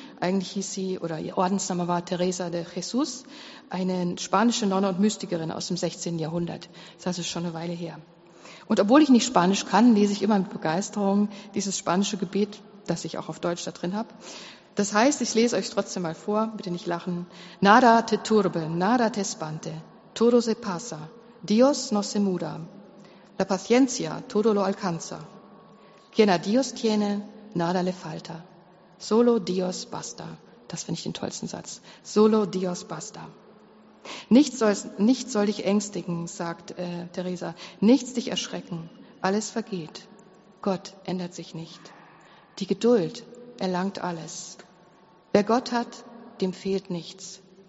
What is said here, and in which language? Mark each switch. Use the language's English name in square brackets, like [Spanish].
[German] Eigentlich hieß sie, oder ihr Ordensname war Teresa de Jesus, eine spanische Nonne und Mystikerin aus dem 16. Jahrhundert. Das ist schon eine Weile her. Und obwohl ich nicht Spanisch kann, lese ich immer mit Begeisterung dieses spanische Gebet, das ich auch auf Deutsch da drin habe. Das heißt, ich lese euch trotzdem mal vor, bitte nicht lachen. [Spanish] Nada te turbe, nada te espante, todo se pasa, Dios no se muda, la paciencia todo lo alcanza. Quien a Dios tiene, nada le falta. Solo Dios basta. [German] Das finde ich den tollsten Satz. [Spanish] Solo Dios basta. [German] Nichts soll dich ängstigen, sagt Teresa. Nichts dich erschrecken. Alles vergeht. Gott ändert sich nicht. Die Geduld erlangt alles. Wer Gott hat, dem fehlt nichts.